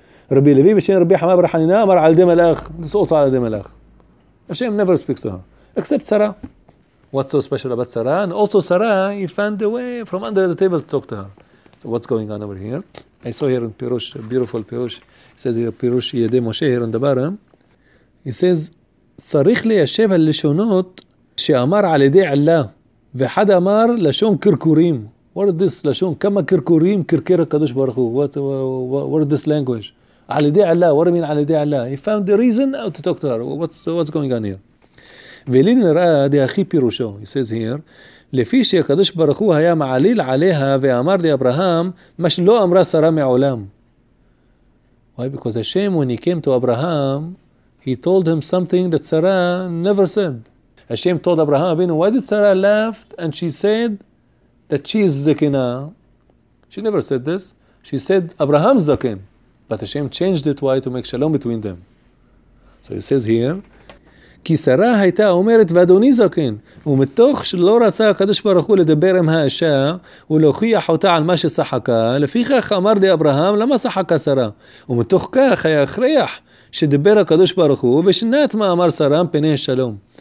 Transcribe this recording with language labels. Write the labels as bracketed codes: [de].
[en] Rabbi Levi, Bashen Rabbi Hama Bar Hanina, Amar, Alde Malach. This is also Alde Malach. Hashem never speaks to her, except Sarah. What's so special about Sarah? And also Sarah, he found a way from under the table to talk to her. So what's going on over here? I saw here in Pirush, a beautiful Pirush. It says here, Pirush Yedei Moshe here in the bottom. He says, [he] צריך ליישב על לשונות שאמר על ידי עלה, ואחד אמר לשון קרקורים. [en] What is this לשון? [he] כמה קרקורים קרקר הקדוש ברוך הוא. [en] What is this language? Ali de Allah, what do you mean Ali de Allah? He found the reason how to talk to her. What's going on here? He says here, [he] לפי שהקדוש ברוך הוא היה מעליל עליה ואמר לאברהם, מה שלא אמרה שרה מעולם. [en] Why? Because Hashem, when he came to Abraham, he told him something that Sarah never said. Hashem told Abraham, why did Sarah laugh? And she said that she is Zakina. She never said this. She said, Abraham's Zakin. But Hashem changed it, why? To make shalom between them. So it says here, [he] כי שרה הייתה אומרת ואדוני זקן, ומתוך שלא רצה הקדוש ברוך הוא לדבר עם האישה, ולהוכיח אותה על מה ששחקה, לפיכך אמר לי אברהם, למה שחקה שרה? ומתוך כך היה הכרח שדבר הקדוש ברוך הוא, ושנה את מאמר שרה מפני השלום.